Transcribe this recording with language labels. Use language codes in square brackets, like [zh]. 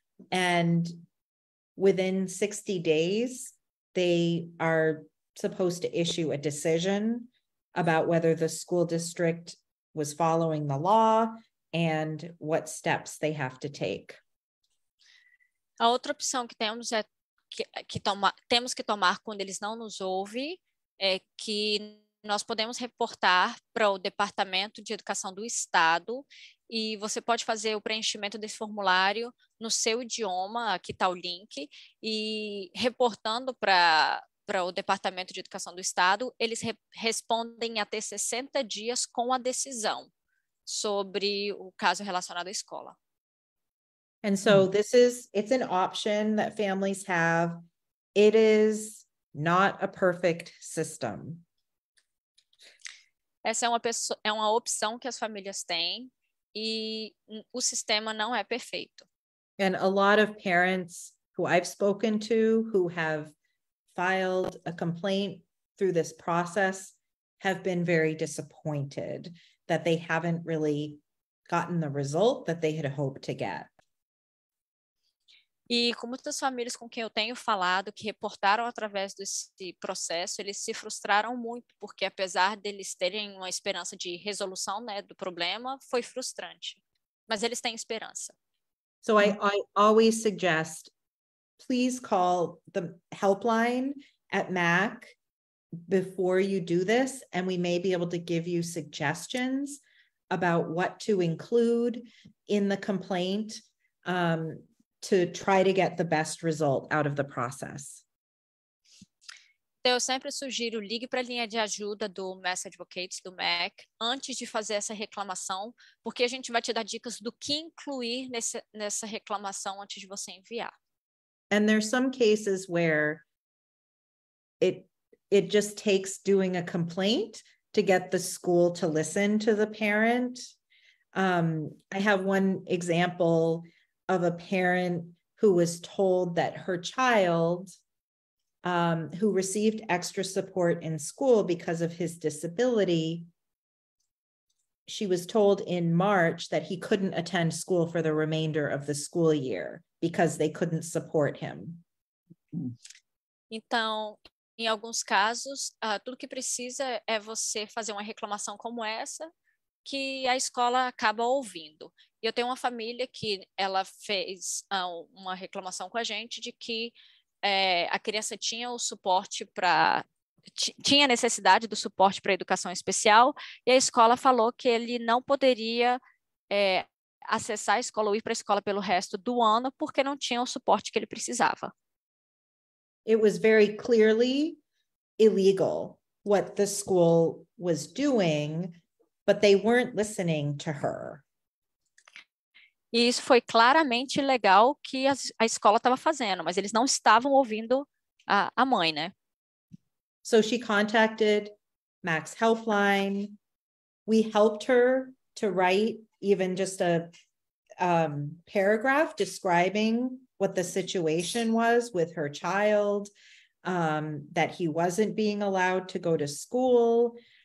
[en] And within 60 days, they are supposed to issue a decision about whether the school district was following the law and what steps they have to take. [pt] A outra opção que temos é temos que tomar quando eles não nos ouvem é que nós podemos reportar para o Departamento de Educação do Estado e você pode fazer o preenchimento desse formulário no seu idioma, aqui está o link, e reportando para o Departamento de Educação do Estado, eles respondem até 60 dias com a decisão sobre o caso relacionado à escola. [en] And so this is, it's an option that families have. It is not a perfect system. [pt] Essa é uma opção que as famílias têm e o sistema não é perfeito. [en] And a lot of parents who I've spoken to who have filed a complaint through this process have been very disappointed that they haven't really gotten the result that they had hoped to get. [pt] E com muitas famílias com quem eu tenho falado, que reportaram através desse processo, eles se frustraram muito, porque apesar deles terem uma esperança de resolução, né, do problema, foi frustrante. Mas eles têm esperança. [en] So I always suggest, please call the helpline at MAC before you do this, and we may be able to give you suggestions about what to include in the complaint. To try to get the best result out of the process. [pt] Então, eu sempre sugiro, ligue para a linha de ajuda do Mass Advocates, do MAC, antes de fazer essa reclamação, porque a gente vai te dar dicas do que incluir nessa reclamação antes de você enviar. [en] And there's some cases where it just takes doing a complaint to get the school to listen to the parent. I have one example of a parent who was told that her child, who received extra support in school because of his disability, she was told in March that he couldn't attend school for the remainder of the school year because they couldn't support him. [pt] Então, em alguns casos, tudo que precisa é você fazer uma reclamação como essa, que a escola acaba ouvindo. E eu tenho uma família que ela fez uma reclamação com a gente de que a criança tinha o suporte tinha necessidade do suporte para educação especial, e a escola falou que ele não poderia acessar a escola ou ir para a escola pelo resto do ano porque não tinha o suporte que ele precisava. [en] It was very clearly illegal what the school was doing, but they weren't listening to her. [pt] E isso foi claramente ilegal que a escola estava fazendo, mas eles não estavam ouvindo a mãe, né? [en] So she contacted Max Helpline. We helped her to write even just a paragraph describing what the situation was with her child, that he wasn't being allowed to go to school.